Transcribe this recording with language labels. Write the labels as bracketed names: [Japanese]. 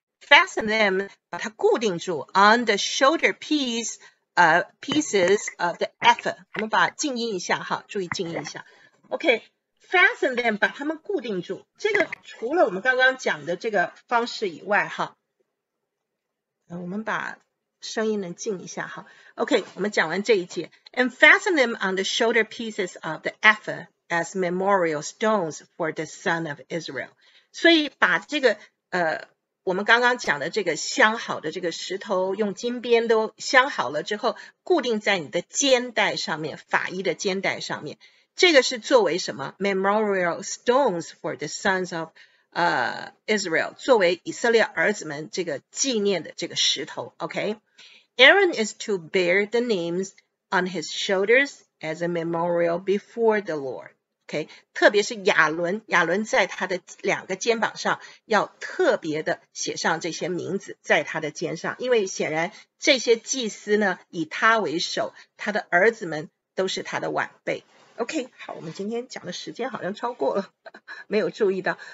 [English] Fasten them， [Chinese] 把它固定住。 [English] On the shoulder piece, pieces of the ephod， [Chinese] 我们把静音一下哈，注意静音一下。 OK， [English] fasten them， [Chinese] 把它们固定住。这个除了我们刚刚讲的这个方式以外哈，我们把声音能静一下哈。 OK，我们讲完这一节。 [English] And fasten them on the shoulder pieces of the ephod as memorial stones for the son of Israel。 [Chinese] 所以把这个我们刚刚讲的这个镶好的这个石头，用金边都镶好了之后，固定在你的肩带上面，法衣的肩带上面。这个是作为什么？ [English] Memorial stones for the sons of Israel， [Chinese] 作为以色列儿子们这个纪念的这个石头。 [English] OK，Aaron is to bear the names on his shoulders as a memorial before the Lord。 [Chinese] OK，特别是亚伦在他的两个肩膀上要特别的写上这些名字，在他的肩上，因为显然这些祭司呢以他为首，他的儿子们都是他的晚辈。 OK，好，我们今天讲的时间好像超过了，没有注意到。